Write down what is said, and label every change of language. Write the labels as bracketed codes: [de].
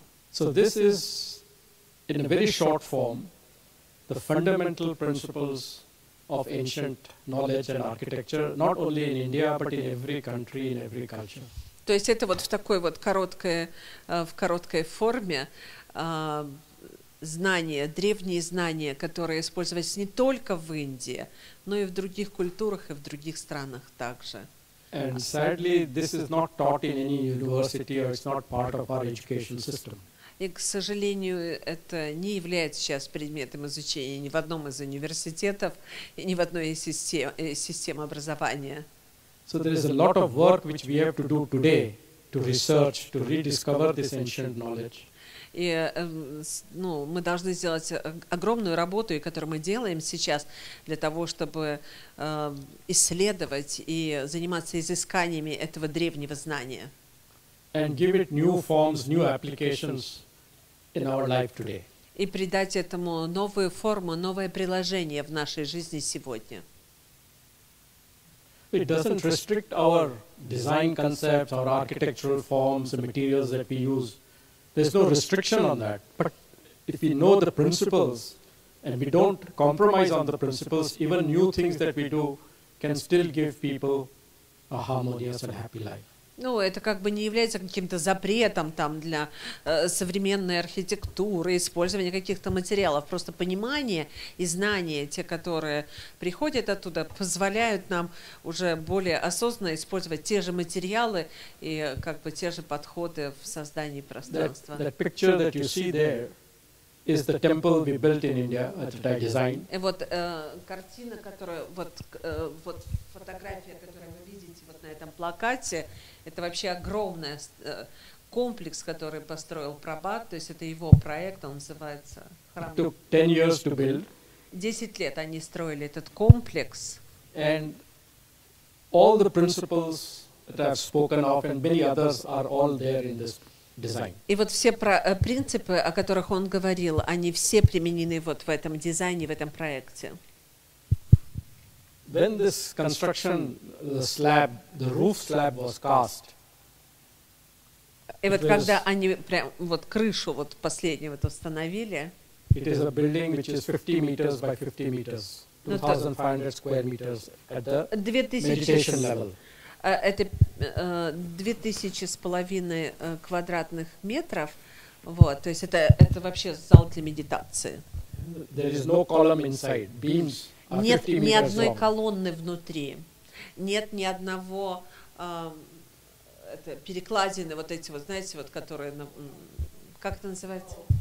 [en] So this is, in a very short form, the fundamental principles of ancient knowledge and architecture, not only in India, but in every country, in every culture. [ru] То есть это вот в такой вот короткой форме знания, древние знания, которые использовались не только в Индии, но и в других культурах, и в других странах также. [en] And sadly, this is not taught in any university, or it's not part of our education system. [ru] И, к сожалению, это не является сейчас предметом изучения ни в одном из университетов, ни в одной из систем образования. [en] So there is a lot of work which we have to do today to research, to rediscover this ancient knowledge. [ru] И мы должны сделать огромную работу, которую мы делаем сейчас, для того, чтобы исследовать и заниматься изысканиями этого древнего знания. [en] And give it new forms, new applications in our life today. [ru] И придать этому новую форму, новое приложение в нашей жизни сегодня. [en] It doesn't restrict our design concepts, our architectural forms, the materials that we use. There's no restriction on that, but if we know the principles and we don't compromise on the principles, even new things that we do can still give people a harmonious and happy life. [ru] Ну, это как бы не является каким-то запретом там для современной архитектуры, использования каких-то материалов. Просто понимание и знания, те, которые приходят оттуда, позволяют нам уже более осознанно использовать те же материалы и как бы те же подходы в создании пространства. [en] That picture that you see there is the temple we built in India at the design. [ru] И вот картина, которую, вот фотография, которую вы видите вот на этом плакате, это вообще огромный комплекс, который построил Прабхат, то есть это его проект, он называется храм. [en] It took 10 years to build. [ru] 10 лет они строили этот комплекс. [en] And all the principles that I've spoken of and many others are all there in this design. [ru] И вот все принципы, о которых он говорил, они все применены вот в этом дизайне, в этом проекте. [en] when this construction slab, the roof slab was cast. [ru] И вот когда они прям вот крышу вот последнюю вот установили. [en] It is a building which is 50 meters by 50 meters, 2,500 square meters at the meditation level. [ru] Это 2,500 квадратных метров, вот, то есть это вообще зал для медитации. [en] There is no column inside. Beams are 50 meters long. [ru] Нет ни одной колонны внутри, нет ни одного это перекладины, вот эти вот, знаете, вот которые, как это называется?